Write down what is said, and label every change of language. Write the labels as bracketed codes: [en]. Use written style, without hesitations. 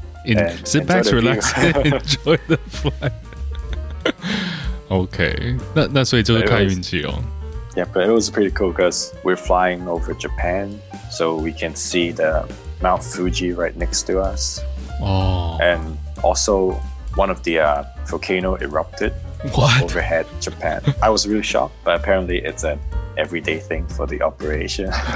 [en] and sit back, relax and enjoy the flight. [zh] OK， 那所以就是看运气哦。 [en] Yeah, but it was pretty cool because we're flying over Japan, so we can see the Mount Fuji right next to us. And also one of the volcano erupted overhead Japan. I was really shocked, but apparently it's an everyday thing for the operation.